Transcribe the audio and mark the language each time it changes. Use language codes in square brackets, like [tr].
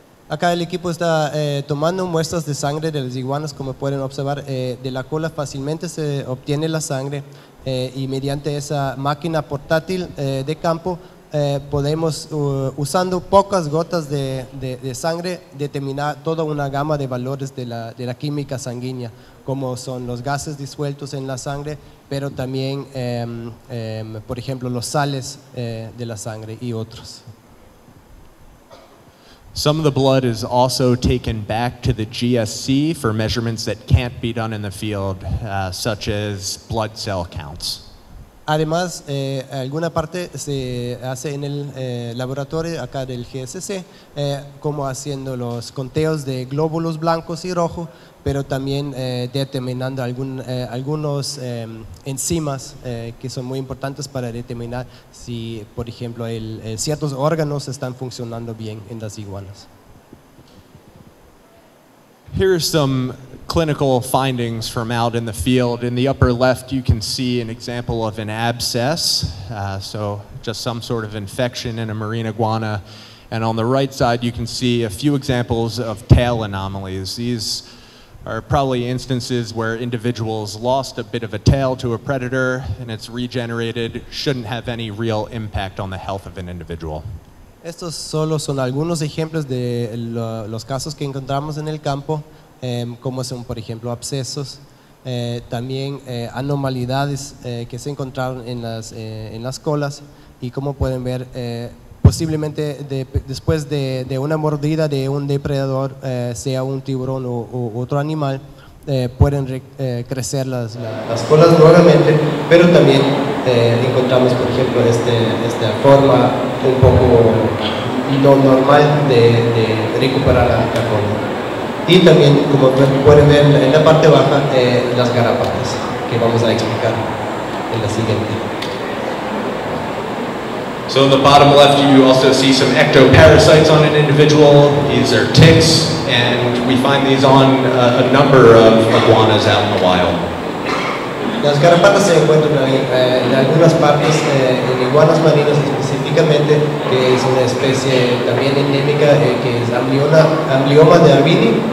[es] Acá el equipo está tomando muestras de sangre de las iguanas, como pueden observar, de la cola fácilmente se obtiene la sangre, y mediante esa máquina portátil de campo, podemos, usando pocas gotas de sangre, determinar toda una gama de valores de la química sanguínea, como son los gases disueltos en la sangre, pero también, por ejemplo, los sales de la sangre y otros. [en] Some of the blood is also taken back to the GSC for measurements that can't be done in the field, such as blood cell counts. [es] Además, alguna parte se hace en el laboratorio acá del GSC, como haciendo los conteos de glóbulos blancos y rojos, pero también determinando algunos enzimas que son muy importantes para determinar si, por ejemplo, ciertos órganos están funcionando bien en las iguanas. [en] Here are some clinical findings from out in the field. In the upper left, you can see an example of an abscess, so just some sort of infection in a marine iguana. And on the right side, you can see a few examples of tail anomalies. These are probably instances where individuals lost a bit of a tail to a predator and it's regenerated, shouldn't have any real impact on the health of an individual. [es] Estos solo son algunos ejemplos de los casos que encontramos en el campo, como son, por ejemplo, abscesos, también anomalidades que se encontraron en las colas, y como pueden ver, posiblemente después de una mordida de un depredador, sea un tiburón o otro animal, pueden crecer las colas nuevamente, pero también encontramos, por ejemplo, esta forma un poco no normal de recuperar la cola. Y también, como pueden ver en la parte baja, las garrapatas, que vamos a explicar en la siguiente. [en] So in the bottom left, you also see some ectoparasites on an individual. These are ticks, and we find these on a number of iguanas out in the wild. [es] Las garrapatas se encuentran ahí en algunas partes, en iguanas marinas específicamente, que es una especie también endémica, que es amblioma de Albini.